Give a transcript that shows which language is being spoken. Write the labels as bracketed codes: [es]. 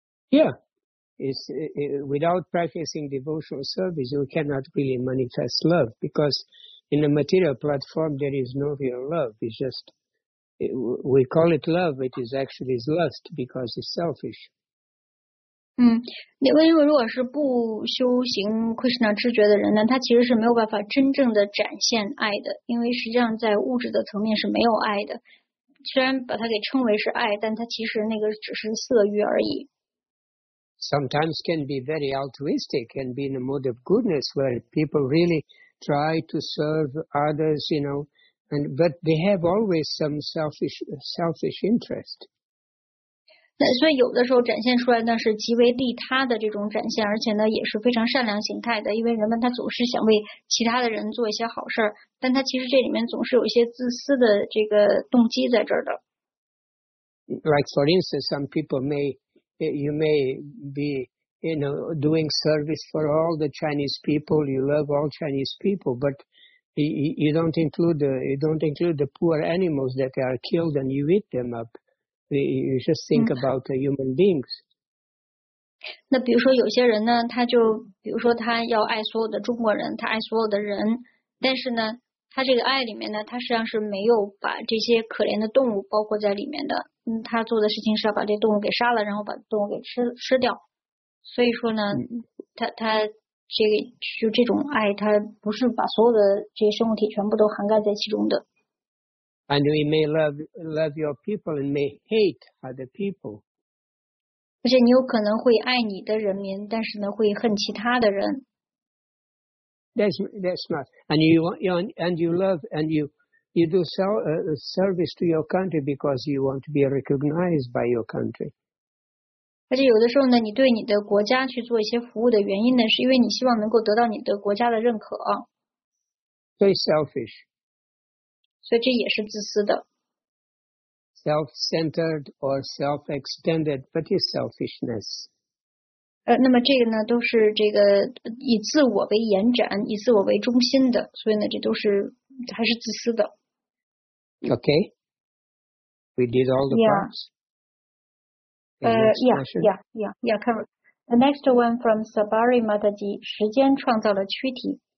[en] Yeah. Without practicing devotional service, you cannot really manifest love because in a material platform there is no real love. It's just, we call it love, it is actually lust because it's selfish. [zh] 嗯，因为如果是不修行 Krishna 知觉的人呢，他其实是没有办法真正的展现爱的，因为实际上在物质的层面是没有爱的。虽然把它给称为是爱，但它其实那个只是色欲而已。 [en] Sometimes can be very altruistic, can be in a mode of goodness where people really try to serve others, you know, and but they have always some selfish interest. [zh] 所以有的时候展现出来呢是极为利他的这种展现，而且呢也是非常善良形态的，因为人们他总是想为其他的人做一些好事，但他其实这里面总是有一些自私的这个动机在这儿的。 [en] Like for instance, some people may be, you know, doing service for all the Chinese people, you love all Chinese people, but you don't include the poor animals that are killed and you eat them up. You just think about the human beings. [zh] 那比如说有些人呢，他就比如说他要爱所有的中国人，他爱所有的人，但是呢，他这个爱里面呢，他实际上是没有把这些可怜的动物包括在里面的。他做的事情是要把这动物给杀了，然后把动物给吃掉。所以说呢，他这个就这种爱，他不是把所有的这些生物体全部都涵盖在其中的。 [en] And we may love your people and may hate other people. [zh] 而且你有可能会爱你的人民，但是呢会恨其他的人。 [en] That's not. And you do service to your country because you want to be recognized by your country. [zh] 而且有的时候呢，你对你的国家去做一些服务的原因呢，是因为你希望能够得到你的国家的认可。 [en] very selfish. [zh] 所以这也是自私的。 [en] Self-centered or self-extended, but it's selfishness. [zh] 那么这个呢，都是这个以自我为延展，以自我为中心的，所以呢，这都是还是自私的。 [en] Okay. We did all the parts. Yeah, cover. The next one from Sabari Mataji, [zh] 时间创造了躯体。